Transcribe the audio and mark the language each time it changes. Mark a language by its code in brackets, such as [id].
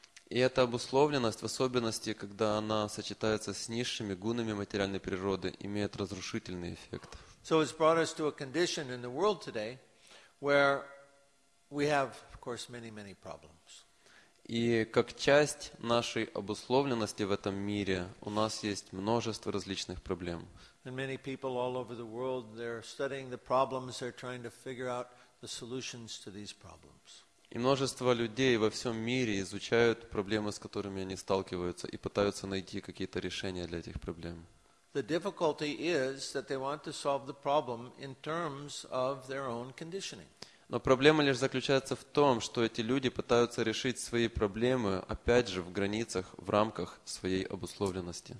[ru] И эта обусловленность, в особенности, когда она сочетается с низшими гунами материальной природы, имеет разрушительный эффект. [en] So it's brought us to a condition in the world today where we have, of course, many, many problems. [ru] И как часть нашей обусловленности в этом мире, у нас есть множество различных проблем. [en] And many people all over the world, they're studying the problems, they're trying to figure out the solutions to these problems. [ru] И множество людей во всем мире изучают проблемы, с которыми они сталкиваются, и пытаются найти какие-то решения для этих проблем. [en] The difficulty is that they want to solve the problem in terms of their own conditioning. [ru] Но проблема лишь заключается в том, что эти люди пытаются решить свои проблемы, опять же, в границах, в рамках своей обусловленности.